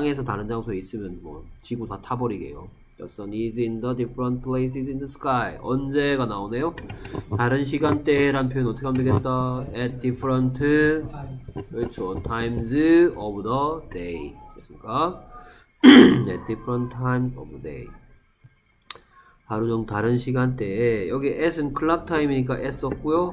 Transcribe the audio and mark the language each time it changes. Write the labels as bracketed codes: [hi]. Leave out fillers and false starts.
[ko] 땅에서 다른 장소에 있으면 뭐 지구 다 타버리게요. [en] The sun is in the different places in the sky. [ko] 언제가 나오네요? 다른 시간대란 표현 어떻게 하면 되겠다? [en] At different, 그렇죠. Times of the day. [ko] 됐습니까? [en] At different times of the day. [ko] 하루 종 다른 시간대에, 여기 at은 clock time이니까 at 썼고요.